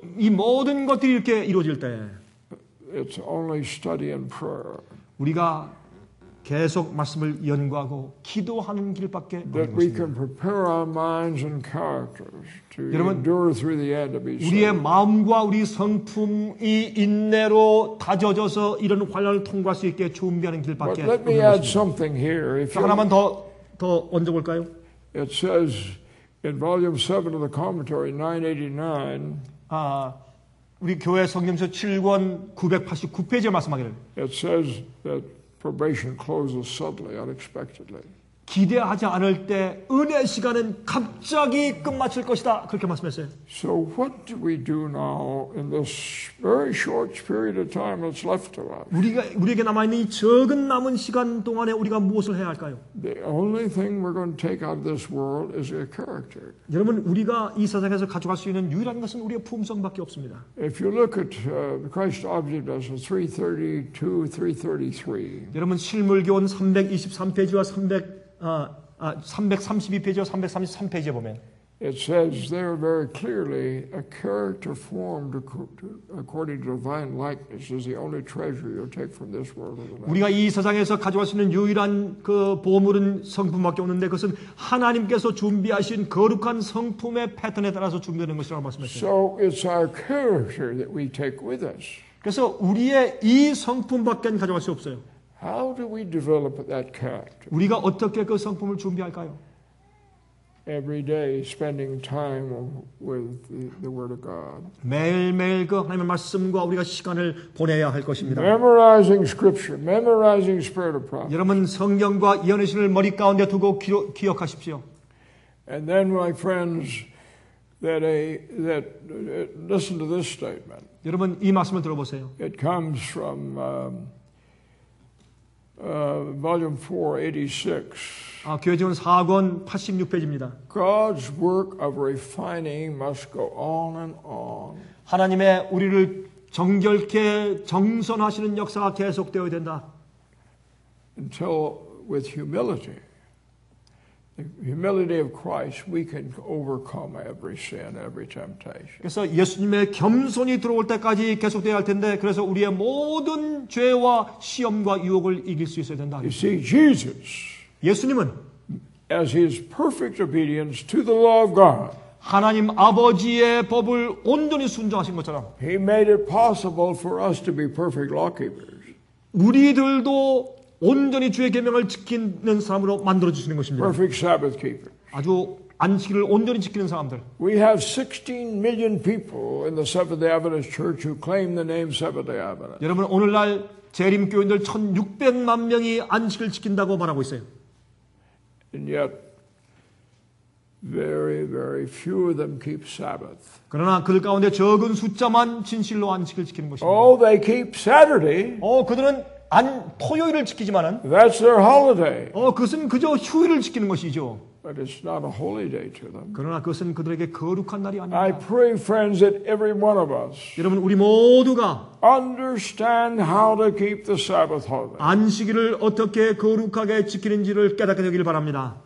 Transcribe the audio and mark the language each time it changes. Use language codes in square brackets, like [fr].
[ko] 이 모든 것들이 이렇게 이루어질 때. [en] It's only study and prayer. [ko] 우리가 계속 말씀을 연구하고 기도하는 길밖에 없습니다. 여러분, [en] endure through the end of each [ko] 우리의 마음과 우리 성품이 인내로 다져져서 이런 환난을 통과할 수 있게 준비하는 길밖에 없습니다. 하나만 더 얹어 볼까요? [en] It says in volume 7 of the commentary 989 [ko] 우리 교회 성경서 7권 989페이지에 말씀하기를 [en] It says that probation closes suddenly, unexpectedly. [ko] 기대하지 않을 때 은혜 시간은 갑자기 끝마칠 것이다. 그렇게 말씀했어요. [en] So what do we do now in this very short period of time that's left to us? [ko] 우리에게 남아 있는 이 적은 남은 시간 동안에 우리가 무엇을 해야 할까요? [en] The only thing we're going to take out of this world is a character. [ko] 여러분, 우리가 이 세상에서 가져갈 수 있는 유일한 것은 우리의 품성밖에 없습니다. [en] If you look at Christ object as 332, 333. [ko] 여러분, 실물교원 323페이지와 332페이지와 333페이지에 보면 [en] It says there very clearly a character formed according to divine likeness is the only treasure you'll take from this world. [ko] 우리가 이 세상에서 가져갈 수 있는 유일한 그 보물은 성품밖에 없는데 그것은 하나님께서 준비하신 거룩한 성품의 패턴에 따라서 준비되는 것이라고 말씀하셨습니다. [en] So it's our character that we take with us. [ko] 그래서 우리의 이 성품밖에 가져갈 수 없어요. [en] How do we develop that character? [ko] 우리가 어떻게 그 성품을 준비할까요? [en] Every day spending time with the word of God. [ko] 매일매일 그 하나님의 말씀과 우리가 시간을 보내야 할 것입니다. [en] Memorizing scripture, memorizing spirit of prophecy. [ko] 여러분 성경과 예언의 신을 머리 가운데 두고 기억하십시오. [en] And then my friends that listen to this statement. [ko] 여러분 이 말씀을 들어보세요. [en] It comes from volume 486. [ko] 교회지원 4권 86페이지입니다. [en] God's work of refining must go on and on. [ko] 하나님의 우리를 정결케 정선하시는 역사가 계속되어야 된다. [en] Until with humility, the humility of Christ, we can overcome every sin, every temptation. [ko] 그래서 예수님의 겸손이 들어올 때까지 계속되어야 할 텐데, 그래서 우리의 모든 죄와 시험과 유혹을 이길 수 있어야 된다. [en] You see, Jesus. [ko] 예수님은 [en] as his perfect obedience to the law of God [ko] 하나님 아버지의 법을 온전히 순종하신 것처럼 [en] he made it possible for us to be perfect lawkeepers [ko] 우리들도 온전히 주의 계명을 지키는 사람으로 만들어 주시는 것입니다. [en] perfect sabbath keepers [ko] 아주 안식일을 온전히 지키는 사람들. [en] We have 16 million people in the Seventh-day Adventist church who claim the name Seventh-day Adventist. [ko] 여러분 오늘날 재림교인들 1600만 명이 안식을 지킨다고 말하고 있어요. [en] And yet, very, very few of them keep Sabbath. [ko] 그러나 그 가운데 적은 숫자만 진실로 안식을 지키는 것입니다. [en] Oh, they keep Saturday. [ko] 그들은 토요일을 지키지만은. [en] That's their holiday. [ko] 그것은 그저 휴일을 지키는 것이죠. [en] But it's not a holy day to them. [ko] 그러나 그것은 그들에게 거룩한 날이 아닙니다. [en] I pray, friends, that every one of us [ko] 여러분, 우리 모두가 [en] understand how to keep the Sabbath holy. [ko] 안식일을 어떻게 거룩하게 지키는지를 깨닫게 되길 바랍니다.